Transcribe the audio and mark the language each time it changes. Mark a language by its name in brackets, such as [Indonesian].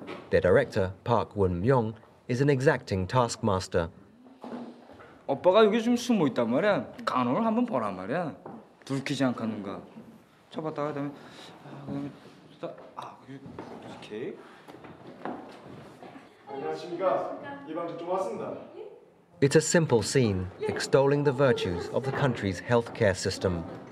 [English] Their director, Park Won-myung, is an exacting taskmaster. [Korean] 오빠가 여기 좀 숨어 있단 말이야. 간호를 한번 보란 말이야. 들키지 않겠는가. 쳐봤다가 다음에 이렇게. 안녕하십니까. 예방 접종 왔습니다. [English] It's a simple scene extolling the virtues of the country's healthcare system.